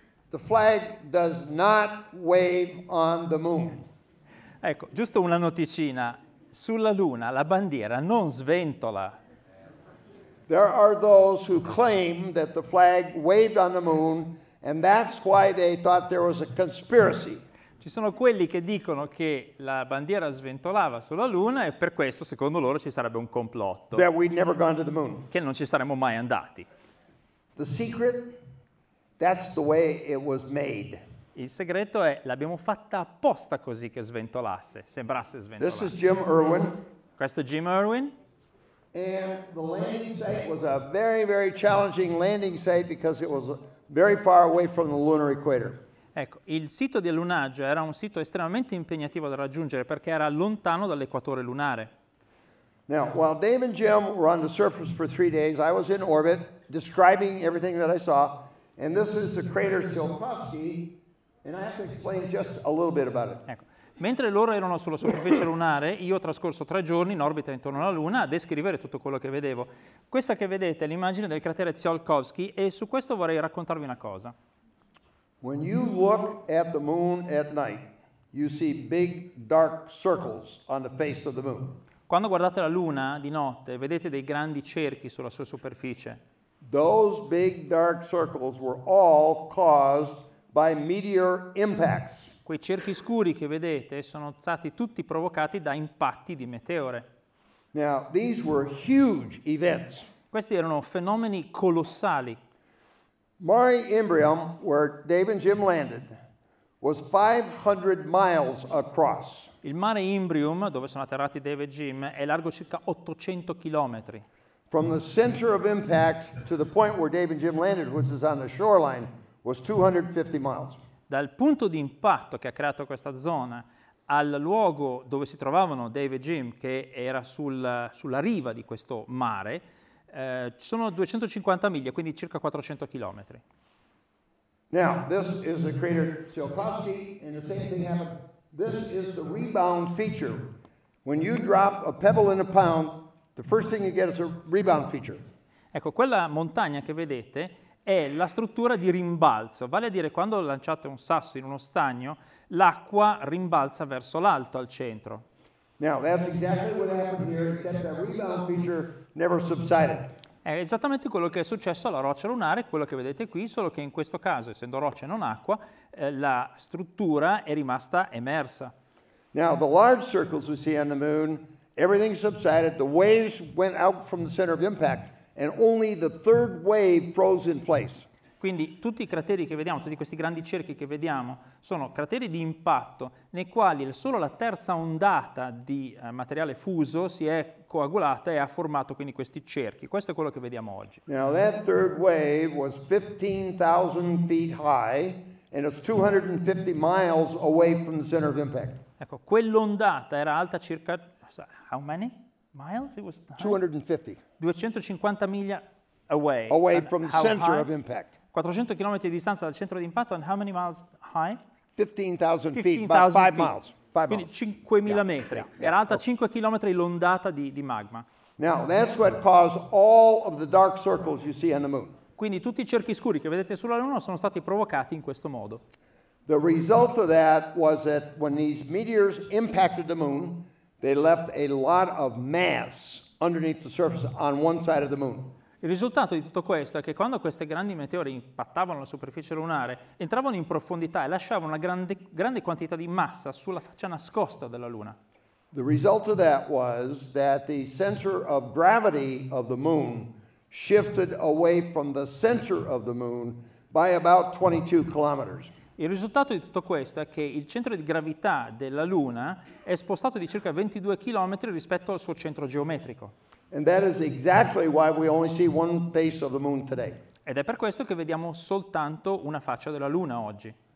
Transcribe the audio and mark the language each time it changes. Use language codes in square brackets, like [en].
[en] The flag does not wave on the moon. [it] Ecco, giusto una noticina. Sulla Luna la bandiera non sventola. [en] There are those who claim that the flag waved on the moon and that's why they thought there was a conspiracy. [it] Ci sono quelli che dicono che la bandiera sventolava sulla Luna e per questo, secondo loro, ci sarebbe un complotto. [en] That we'd never gone to the moon. [it] Che non ci saremmo mai andati. [en] The secret, that's the way it was made. [it] Il segreto è l'abbiamo fatta apposta così che sventolasse, sembrasse sventolasse. [en] This is Jim Irwin. [it] Questo è Jim Irwin. [en] And the landing site was a very, very challenging landing site because it was very far away from the lunar equator. [it] Ecco, il sito di allunaggio era un sito estremamente impegnativo da raggiungere perché era lontano dall'equatore lunare. [en] Now, while Dave and Jim were on the surface for 3 days, I was in orbit describing everything that I saw, and this is the crater Silkovsky, and I have to explain just a little bit about it. [it] Ecco. Mentre loro erano sulla superficie lunare, io ho trascorso 3 giorni in orbita intorno alla Luna a descrivere tutto quello che vedevo. Questa che vedete è l'immagine del cratere Tsiolkovsky e su questo vorrei raccontarvi una cosa. [en] When you look at the moon at night, you see big dark circles on the face of the moon. [it] Quando guardate la Luna di notte, vedete dei grandi cerchi sulla sua superficie. [en] Those big dark circles were all caused by meteor impacts. [it] Quei cerchi scuri che vedete sono stati tutti provocati da impatti di meteore. [en] Now, these were huge events. [it] Questi erano fenomeni colossali. [en] Mare Imbrium, where Dave and Jim landed, was 500 miles across. [it] Il Mare Imbrium, dove sono atterrati Dave e Jim, è largo circa 800 chilometri. [en] From the center of impact to the point where Dave and Jim landed, which is on the shoreline, was 250 miles. [it] Dal punto di impatto che ha creato questa zona al luogo dove si trovavano Dave e Jim, che era sulla riva di questo mare, ci sono 250 miglia, quindi circa 400 chilometri. [en] Now, this is the crater Tsiolkovsky, and the same thing happened. This is the rebound feature. When you drop a pebble in a pond, the first thing you get is a rebound feature. [it] Ecco, quella montagna che vedete è la struttura di rimbalzo, vale a dire quando lanciate un sasso in uno stagno, l'acqua rimbalza verso l'alto al centro. [en] Now, that's exactly what happened here, except that rebound feature never subsided. [it] È esattamente quello che è successo alla roccia lunare, quello che vedete qui, solo che in questo caso, essendo roccia e non acqua, la struttura è rimasta emersa. [en] Now, the large circles we see on the moon, everything subsided, the waves went out from the center of impact. And only the third wave froze in place. [it] Quindi tutti i crateri che vediamo, tutti questi grandi cerchi che vediamo, sono crateri di impatto nei quali solo la terza ondata di materiale fuso si è coagulata e ha formato quindi questi cerchi. Questo è quello che vediamo oggi. [en] Now that third wave was 15,000 feet high and it's 250 miles away from the center of impact. [it] Ecco, quell'ondata era alta circa [en] how many miles? It was 250 [it] miglia [en] away. Away from the center of impact. [it] 400 chilometri di distanza dal centro di impatto, [en] and how many miles high? 15,000 feet, about 5 miles. [it] Quindi 5,000 metri. Era alta 5 chilometri l'ondata di magma. [en] Now, that's what caused all of the dark circles you see on the moon. [it] Quindi tutti i cerchi scuri che vedete sulla Luna sono stati provocati in questo modo. [en] The result of that was that when these meteors impacted the moon, they left a lot of mass underneath the surface on one side of the moon. [it] Il risultato di tutto questo è che quando queste grandi meteore impattavano la superficie lunare, entravano in profondità e lasciavano una grande quantità di massa sulla faccia nascosta della Luna. [en] The result of that was that the center of gravity of the moon shifted away from the center of the moon by about 22 kilometers. [it] Il risultato di tutto questo è che il centro di gravità della Luna è spostato di circa 22 km rispetto al suo centro geometrico. [en] And that is exactly why we only see one face of the moon today. [it] Ed è per questo che vediamo soltanto una faccia della Luna oggi.